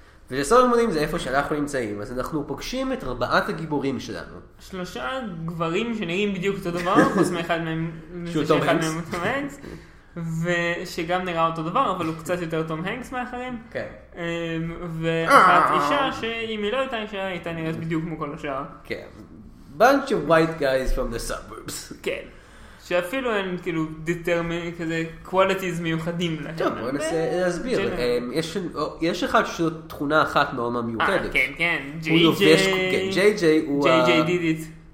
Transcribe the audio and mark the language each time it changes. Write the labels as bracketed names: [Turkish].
[Hebrew] ולסוף לימודים זה איפה שאנחנו נמצאים. אז אנחנו פוגשים את ארבעת הגיבורים שלנו. שלושה גברים שנראים בדיוק אותו דבר, חוס מאחד מהם... שהוא טום הנקס. ושגם נראה אותו דבר, אבל הוא קצת יותר טום הנקס מאחרים. כן. ואחת אישה, שאם היא לא הייתה אישה, הייתה נראית בדיוק כמו כל השאר. כן. [English] Bunch of white guys from the suburbs. [Hebrew] כן. שאפילו אין כאילו דטרמינט כזה קוואליטיז מיוחדים להם. טוב, בוא ננסה להסביר. יש אחד שיש לו תכונה אחת מאוד מיוחדת. כן, כן. ג'יי-ג'יי. הוא לובש... ג'יי-ג'יי [English] did it.